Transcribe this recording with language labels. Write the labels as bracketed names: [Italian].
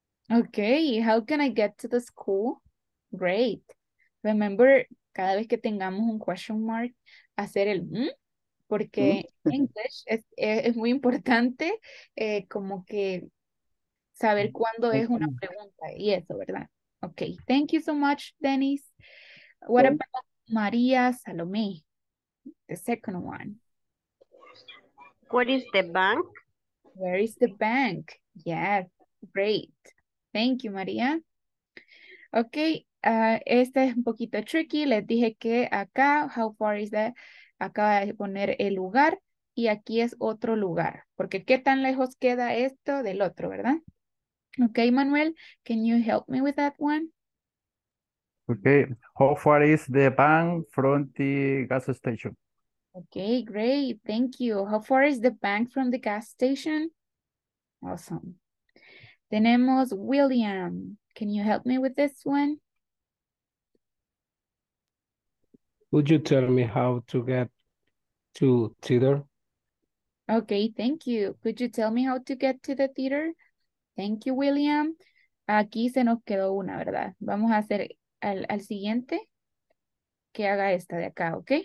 [English] Okay, how can I get to the school? Great. Remember, [Spanish] cada vez que tengamos un [English] question mark, [Spanish] hacer el porque en English es muy importante como que saber cuándo es una pregunta y eso, ¿verdad? [English] Okay, thank you so much, Dennis. What about María Salomé, the second one? What is the bank? Where is the bank? Yes, great. Thank you, María. [Spanish] Okay, este es un poquito tricky. Les dije que acá, [English] how far is that? [Spanish] Acaba de poner el lugar y aquí es otro lugar. Porque qué tan lejos queda esto del otro, ¿verdad? [English] Okay, Manuel, can you help me with that one? Okay, how far is the bank from the gas station? Okay, great, thank you. How far is the bank from the gas station? Awesome. [Spanish] Tenemos [English] William, can you help me with this one? Would you tell me how to get to theater? Okay, thank you. Could you tell me how to get to the theater? Thank you, [Spanish] William. Aquí se nos quedó una, ¿verdad? Vamos a hacer al siguiente que haga esta de acá, ¿ok?